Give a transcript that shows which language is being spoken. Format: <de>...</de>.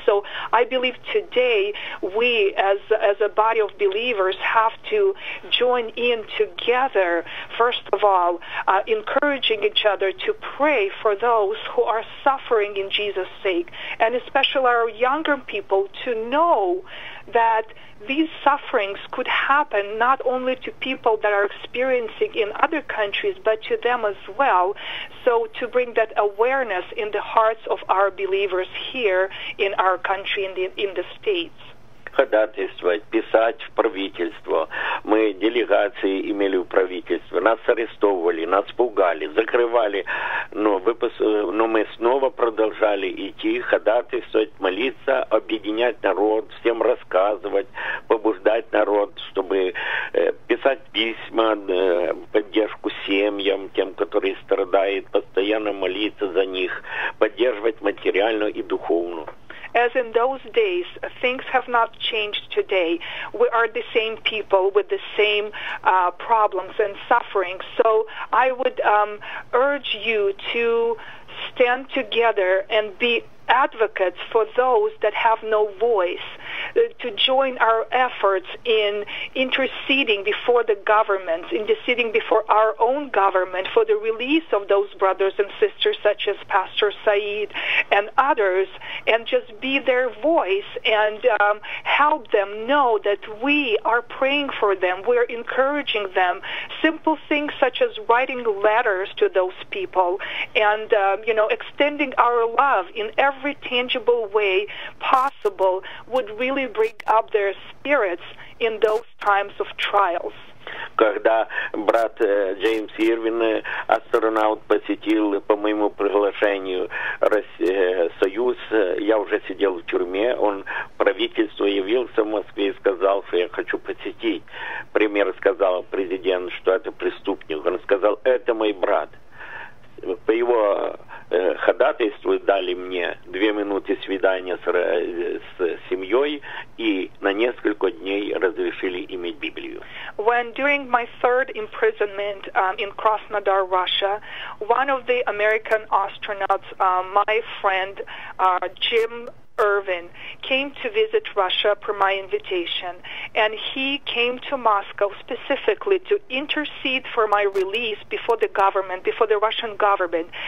<en>So I believe today we as a body of believers have to join in together, first of all, encouraging each other to pray for those who are suffering in Jesus' sake, and especially our younger people to know that these sufferings could happen not only to people that are experiencing in other countries, but to them as well. So to bring that awareness in the hearts of our believers here in our country, in the States.</en> <ru>Ходатайствовать, писать в правительство. Мы делегации имели в правительстве. Нас арестовывали, нас пугали, закрывали. Но мы снова продолжали. побежали идти, ходатайствовать, молиться, объединять народ, всем рассказывать, побуждать народ, чтобы писать письма, поддержку семьям, тем, которые страдают, постоянно молиться за них, поддерживать материально и духовно.</ru> <en>As in those days, things have not changed today. We are the same people with the same problems and suffering. So I would urge you to stand together and be advocates for those that have no voice, to join our efforts in interceding before the government, interceding before our own government for the release of those brothers and sisters such as Pastor Said and others, and just be their voice and help them know that we are praying for them, we're encouraging them. Simple things such as writing letters to those people and extending our love in every tangible way possible would really bring up their spirits in those times of trials.</en> <ru>Когда брат Джеймс Ирвин, астронавт, посетил по моему приглашению Союз, я уже сидел в тюрьме, он правительству явился в Москве и сказал, что я хочу посетить. Премьер сказал президент, что это преступник. Он сказал, это мой брат. По его ходатайству дали мне 2 минуты свидания с семьей и на несколько дней разрешили иметь Библию.</ru> <en>When during my third imprisonment in Krasnodar, Russia, one of the American astronauts, my friend Jim Irvin, came to visit Russia per my invitation, and he came to Moscow specifically to intercede for my release before the government, before the Russian government.</en>